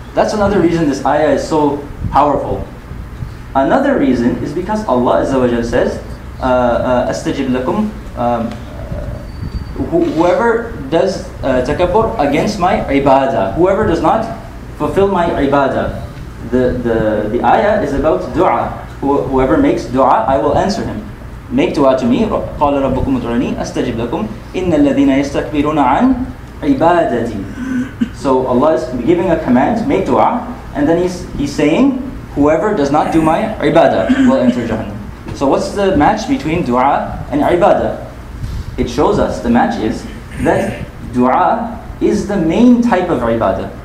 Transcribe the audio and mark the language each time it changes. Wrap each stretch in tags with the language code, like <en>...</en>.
<en>That's another reason this ayah is so powerful. Another reason is because Allah Azza wa Jalla says, "Astajib lakum." Whoever does takabbur against my ibadah, whoever does not fulfill my ibadah, the ayah is about du'a. Whoever makes du'a, I will answer him. Make du'a to me.</en> <ar>قال ربكم ادعوني أستجب لكم إن الذين يستكبرون عن عبادتي.</ar> <en>So Allah is giving a command, make du'a, and then he's saying, whoever does not do my ibadah will enter Jahannam. So what's the match between du'a and ibadah? It shows us, the match is, that du'a is the main type of ibadah.</en>